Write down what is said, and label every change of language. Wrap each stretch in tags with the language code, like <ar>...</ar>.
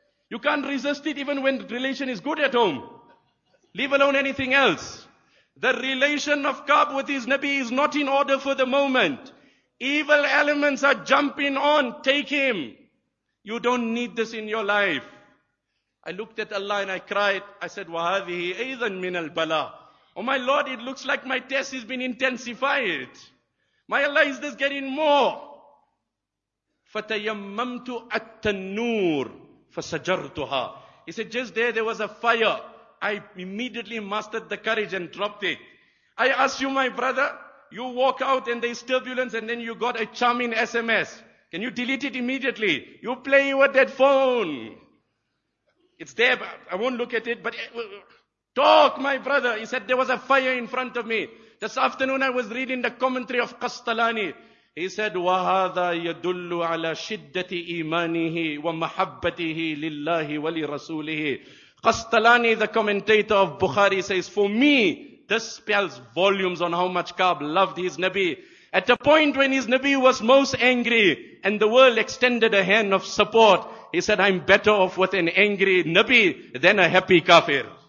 <en>You can't resist it even when the relation is good at home. Leave alone anything else. The relation of Kaab with his Nabi is not in order for the moment. Evil elements are jumping on. Take him. You don't need this in your life. I looked at Allah and I cried. I said,</en> <ar>وَهَذِهِ أَيْذًا مِنَ الْبَلَىٰ.</ar> <en>Oh my Lord, it looks like my test has been intensified. My Allah, is this getting more?</en> <ar>فَتَيَمَّمْتُ أَتَّنُّورِ فَسَجَرْتُهَا.</ar> <en>He said, just there was a fire. I immediately mastered the courage and dropped it. I ask you, my brother, you walk out and there's turbulence and then you got a charming SMS. Can you delete it immediately? You play with that phone. It's there, but I won't look at it, but talk, my brother. He said, there was a fire in front of me. This afternoon I was reading the commentary of Qastalani. He said,</en> <ar>وَهَذَا يَدُلُّ عَلَى شِدَّةِ إِيمَانِهِ وَمَحَبَّتِهِ لِلَّهِ وَلِرَسُولِهِ.</ar> <en>Qastalani, the commentator of Bukhari, says, for me, this spells volumes on how much Ka'b loved his Nabi. At a point when his Nabi was most angry and the world extended a hand of support, he said, I'm better off with an angry Nabi than a happy kafir.</en>